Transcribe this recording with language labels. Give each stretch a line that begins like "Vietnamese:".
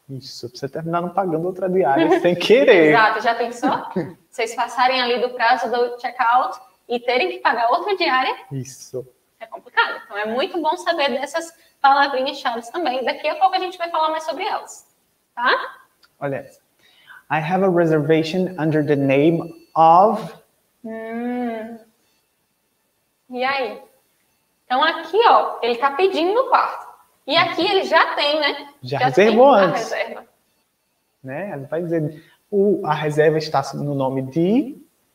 Portuguese: Isso, pra você terminar não pagando outra diária sem querer. Exato, já pensou? Vocês passarem ali do prazo do check out e terem que pagar outra diária. Isso. É complicado. Então é muito bom saber dessas palavrinhas chaves também. Daqui a pouco a gente vai falar mais sobre elas, tá? Olha,
English: I have a reservation under the name of...
Portuguese: E aí? Então aqui, ó, ele tá pedindo o quarto. E aqui ele já tem, né? Já reservou tem antes. A reserva. Né? Ele vai dizer, a reserva está no nome de...